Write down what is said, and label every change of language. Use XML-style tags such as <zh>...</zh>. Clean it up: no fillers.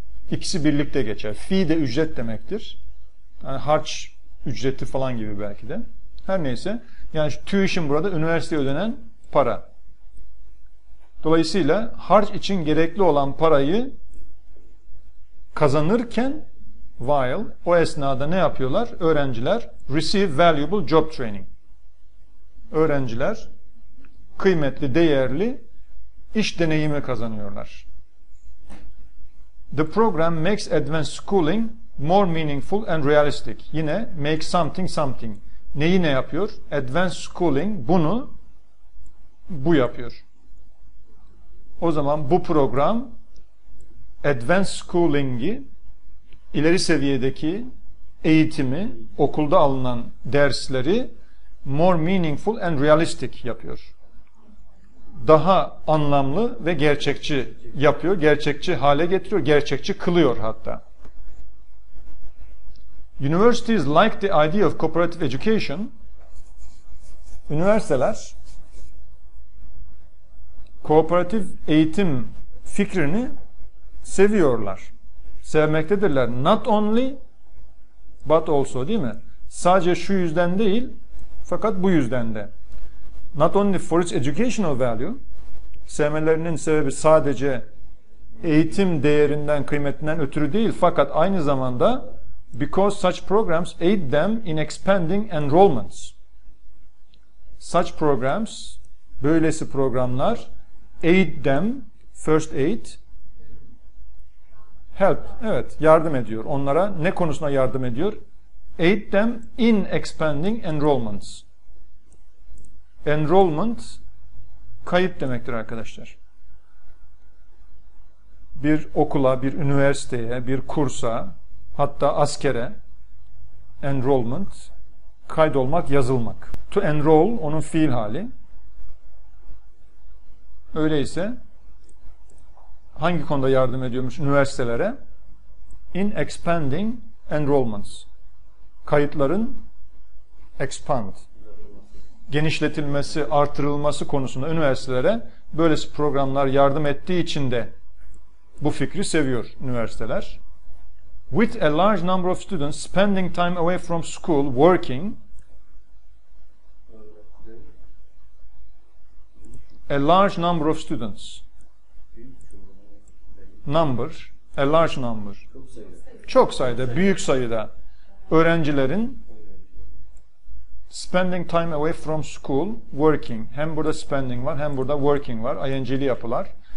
<tr>İkisi birlikte geçer. Fee de ücret demektir. Yani harç ücreti falan gibi belki de. Her neyse. Yani tuition burada üniversiteye ödenen para. Dolayısıyla harç için gerekli olan parayı kazanırken while o esnada ne yapıyorlar?</tr> <en>Öğrenciler receive valuable job training.</en> <tr>Öğrenciler kıymetli, değerli iş deneyimi kazanıyorlar.</tr> <en>The program makes advanced schooling more meaningful and realistic. Yine make something something.</en> <tr>Neyi ne yapıyor?</tr> <en>Advanced schooling</en> <tr>bunu bu yapıyor. O zaman bu program advanced schooling'i, ileri seviyedeki eğitimi, okulda alınan dersleri</tr> <en>more meaningful and realistic</en> <tr>yapıyor. Daha anlamlı ve gerçekçi yapıyor, gerçekçi hale getiriyor, gerçekçi kılıyor hatta.</tr> <en>Universities like the idea of cooperative education.</en> <tr>Üniversiteler kooperatif eğitim fikrini seviyorlar. Sevmektedirler.</tr> <en>Not only but also,</en> <tr>değil mi? Sadece şu yüzden değil, fakat bu yüzden de.</tr> <en>Not only for its educational value,</en> <tr>sevmelerinin sebebi sadece eğitim değerinden, kıymetinden ötürü değil, fakat aynı zamanda</tr> <en>because such programs aid them in expanding enrollments.</en> <tr>Such programs, böylesi programlar, aid them, first aid, help, evet, yardım ediyor. Onlara ne konusunda yardım ediyor?</tr> <en>Aid them in expanding enrollments.</en> <tr>Enrollment, kayıt demektir arkadaşlar. Bir okula, bir üniversiteye, bir kursa, hatta askere enrollment, kaydolmak, yazılmak. To enroll, onun fiil hali. Öyleyse hangi konuda yardım ediyormuş üniversitelere?</tr> <en>In expanding enrollments.</en> <tr>Kayıtların expand, genişletilmesi, artırılması konusunda üniversitelere böylesi programlar yardım ettiği için de bu fikri seviyor üniversiteler.</tr> <en>With a large number of students spending time away from school working, a large number of students, number, a large number,</en> <tr>çok sayıda, büyük sayıda öğrencilerin</tr> <en>spending time away from school working,</en> <tr>hem burada spending var hem burada working var, ing'li yapılar.</tr>